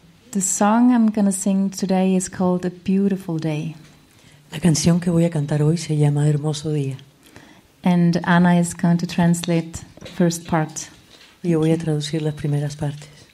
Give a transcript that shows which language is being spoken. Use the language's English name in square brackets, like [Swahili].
[English] The song I'm going to sing today is called A Beautiful Day. [Spanish] La canción que voy a cantar hoy se llama Hermoso Día. [English] And Anna is going to translate first part. [Spanish] Y yo voy a traducir las primeras partes.